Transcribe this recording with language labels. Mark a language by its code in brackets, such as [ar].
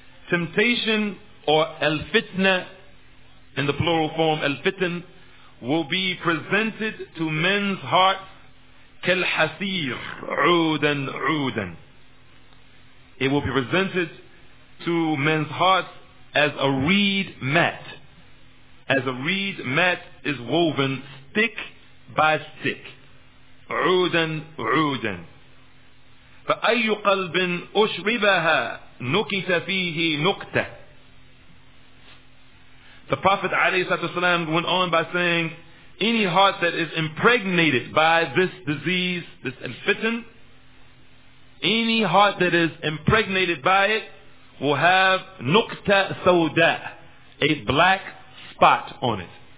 [en] Temptation or al-fitna, in the plural form al-fitn, will be presented to men's hearts [ar] كالحسير عودا عودا. [en] It will be presented to men's hearts as a reed mat, as a reed mat is woven stick by stick. [ar] عودا عودا. فأي قلب أشربها نكت فيه نكتة. [en] The Prophet ﷺ went on by saying, any heart that is impregnated by this disease, this al-fitn, any heart that is impregnated by it will have [ar] nukta sawda, [en] a black spot on it.